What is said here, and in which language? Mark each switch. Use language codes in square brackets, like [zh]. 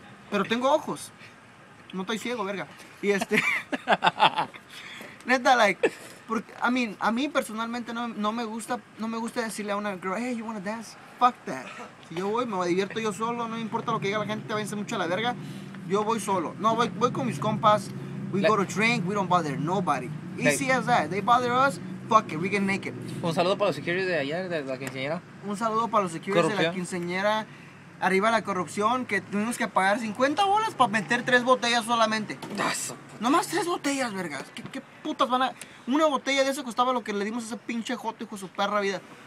[es] Pero tengo ojos. No estoy ciego, verga. Y neta, like, porque, [en] I mean, [es] a mí personalmente no me gusta decirle a una girl, [en] hey, you wanna dance? Fuck that. [es] Si yo voy, me divierto yo solo, no me importa lo que diga la gente, te vence mucho a la verga. Yo voy solo. No, voy con mis compas. [en] We go to drink, we don't bother nobody. Easy as that. They bother us, fuck it, we get naked. [es] Un saludo para los security de ayer, de la quinceañera. Un saludo para los security de la quinceañera. Arriba la corrupción, que tuvimos que pagar 50 bolas para meter 3 botellas solamente. Nomás 3 botellas, vergas. ¿Qué putas van a...? Una botella de eso costaba lo que le dimos a ese pinche joto, hijo de su perra vida.